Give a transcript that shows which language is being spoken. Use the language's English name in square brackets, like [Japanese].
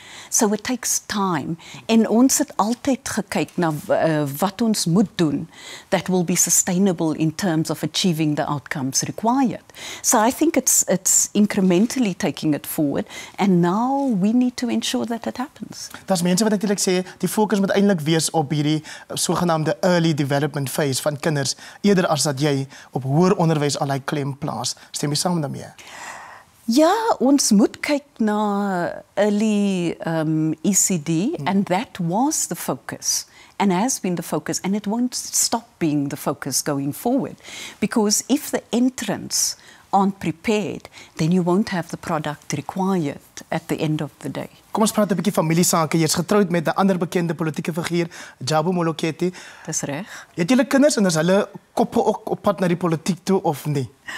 [English] So it takes time. [Afrikaans] En ons het altyd gekyk na wat ons moet doen [English] that will be sustainable in terms of achieving the outcomes required. So I think it's incrementally taking it forward and now we need to ensure that it happens. [Afrikaans] Das mense wat eintlik sê die fokus moet eintlik wees op hierdie sogenaamde [English] early development phase [Afrikaans] van kinders eerder as dat jy op hoër onderwys al hy klem plaas. Stem jy saam daarmee? Ja, ons moet kyk na [English] early ECD, and that was the focus, and has been the focus, and it won't stop being the focus going forward. Because if the entrants aren't prepared, then you won't have the product required at the end of the day. [Afrikaans] Kom ons praat 'n bietjie familiesake. Jy's getroud met 'n ander bekende politieke figuur, Jabu Moloketi. Dis reg. Het julle kinders en is hulle koppe ook op pad na die politiek toe of nie?